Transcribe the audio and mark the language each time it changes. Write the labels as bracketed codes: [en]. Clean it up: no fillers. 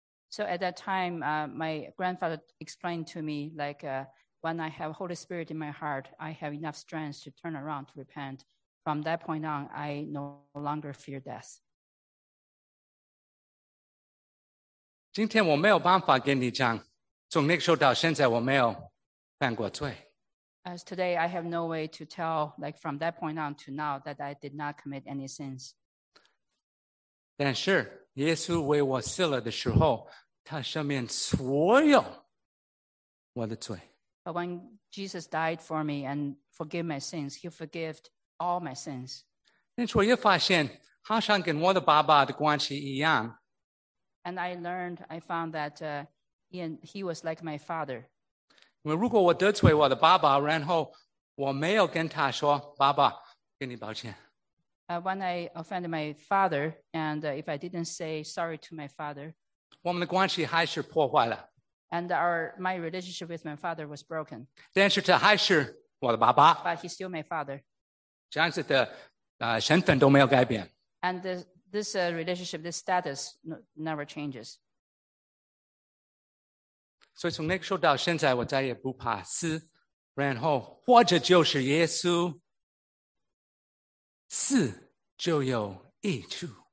[en] So at that time my grandfather explained to me like when I have Holy Spirit in my heart I have enough strength to turn around to repent from that point on I no longer fear death [zh] 今天我没有办法跟你讲从那个时候到现在我没有犯过罪 [en] As today, I have no way to tell, like from that point on to now, that I did not commit any sins. [zh] 但是耶稣为我死了的时候，他赦免所有我的罪。 [en] But when Jesus died for me and forgave my sins, he forgave all my sins. [zh] 但是我也发现，好像跟我的爸爸的关系一样。 [en] And I found that he was like my father. [zh] 因为如果我得罪我的爸爸，然后我没有跟他说，爸爸，给你抱歉。 [en] When I offended my father, and if I didn't say sorry to my father, [zh] 我们的关系还是破坏了。 [en] And my relationship with my father was broken. [zh] 但是他还是我的爸爸。 [en] But he's still my father. [zh] 这样子的身份都没有改变。 [en] And this relationship, this status never changes. [zh] 所以从那个时候到现在，我再也不怕死。然后活着就是耶稣，死就有益处。